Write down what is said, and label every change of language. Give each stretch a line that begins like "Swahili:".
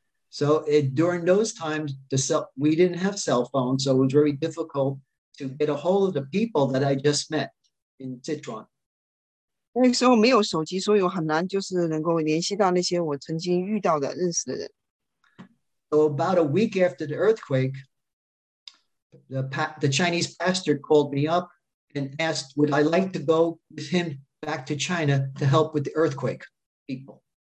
English: So during those times, we didn't have cell phones, so it was very difficult to get a hold of the people that I just met in Sichuan.
Chinese: 那个时候没有手机，所以我很难就是能够联系到那些我曾经遇到的认识的人。
English: So about a week after the earthquake, the Chinese pastor called me up and asked, would I like to go with him back to China to help with the earthquake people?